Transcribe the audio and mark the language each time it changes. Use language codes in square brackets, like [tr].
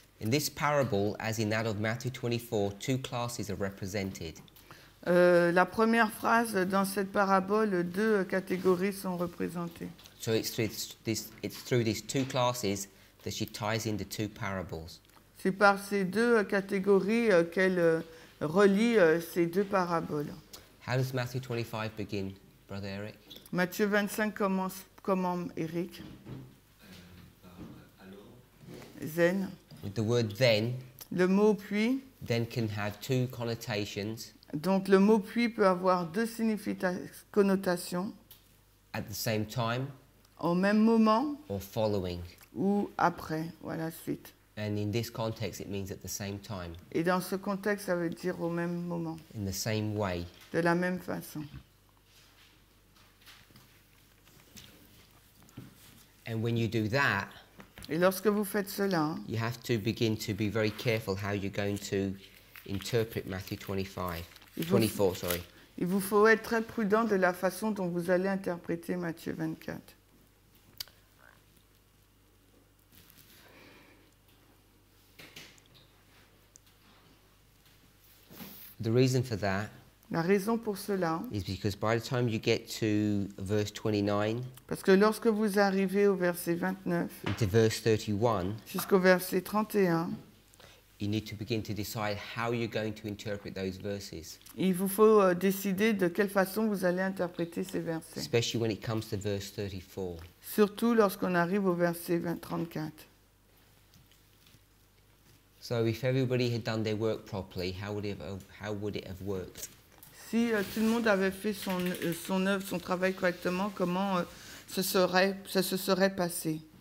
[en] In this parable, as in that of Matthew 24, two classes are represented. [fr] La première phrase dans cette parabole, deux catégories sont représentées. [en] So it's through these two classes that she ties in the two parables. [fr] C'est par ces deux catégories qu'elle relie ces deux paraboles. [en] How does Matthew 25 begin, Brother Eric? [fr] Matthieu 25 commence comment, Eric? Zen. [en] With the word then, [fr] le mot puis, [en] then can have two connotations. [fr] Donc le mot puis peut avoir deux connotations. [en] At the same time, [fr] au même moment, [en] or following, [fr] ou après, ou à la suite. [en] And in this context, it means at the same time. [fr] Et dans ce contexte, ça veut dire au même moment. [en] In the same way. [fr] De la même façon. [en] And when you do that. [fr] Et lorsque vous faites cela, [en] you have to begin to be very careful how you're going to interpret Matthew 24. Sorry. [fr] Il vous faut être très prudent de la façon dont vous allez interpréter Matthieu 24. [en] The reason for that. [fr] La raison pour cela. [en] Is because by the time you get to verse 29. [fr] Parce que lorsque vous arrivez au verset 29. [en] Into verse 31. [fr] Jusqu'au verset 31. [en] You need to begin to decide how you're going to interpret those verses. [fr] Il vous faut décider de quelle façon vous allez interpréter ces versets. [en] Especially when it comes to verse 34. [fr] Surtout lorsqu'on arrive au verset 34. [en] So if everybody had done their work properly, how would it have worked? [fr] Si tout le monde avait fait son œuvre, son travail correctement, comment ça se serait passé?